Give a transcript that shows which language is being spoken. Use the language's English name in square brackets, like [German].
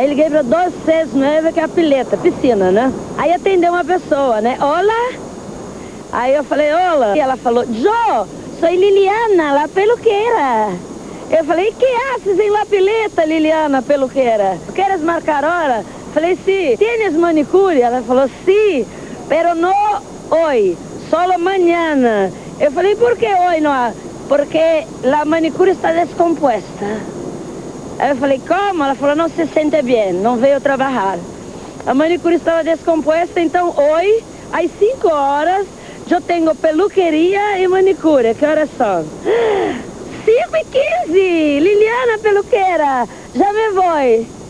[Portuguese] Aí liguei pra 269, que é a pileta, piscina, né? Aí atendeu uma pessoa, né? Olá! Aí eu falei, olá! E ela falou, Jô, sou Liliana, [Spanish] la peluqueira. [Portuguese] Eu falei, [Spanish] que haces [Portuguese] em la pileta, Liliana, peluqueira? Queres marcar hora? Falei, sim, [Spanish] tienes manicure? [Portuguese] Ela falou, [Spanish] sim, pero no hoy, solo mañana. [Portuguese] Eu falei, [Spanish] por que hoy no? Porque la manicure está descompuesta. [Portuguese] Aí eu falei, como? Ela falou, não se sente [Spanish] bien, [Portuguese] não veio trabalhar. A manicure estava [Spanish] descompuesta, [Portuguese] então [Spanish] hoy, [Portuguese] às 5 horas, eu tenho peluqueria e manicure. Que horas são? 5:15! Liliana, peluqueira, já me vou.